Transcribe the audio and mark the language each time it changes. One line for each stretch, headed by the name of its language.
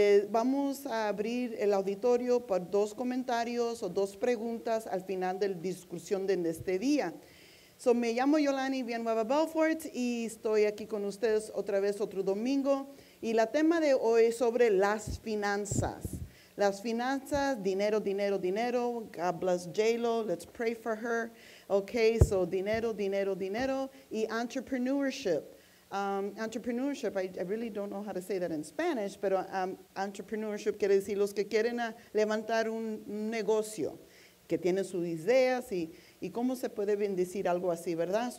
Spanish: Vamos a abrir el auditorio por dos comentarios o dos preguntas al final de la discusión de este día. So, me llamo Yolani Villanueva Belfort y estoy aquí con ustedes otra vez otro domingo. Y la tema de hoy es sobre las finanzas. Las finanzas, dinero, dinero, dinero.
English: God bless J-Lo, let's pray for her.
Spanish: Okay, so dinero, dinero, dinero. Y entrepreneurship. Entrepreneurship,
English: I really don't know how to say that in Spanish,
Spanish: pero entrepreneurship quiere decir los que quieren levantar un negocio, que tienen sus ideas y cómo se puede bendecir algo así, ¿verdad?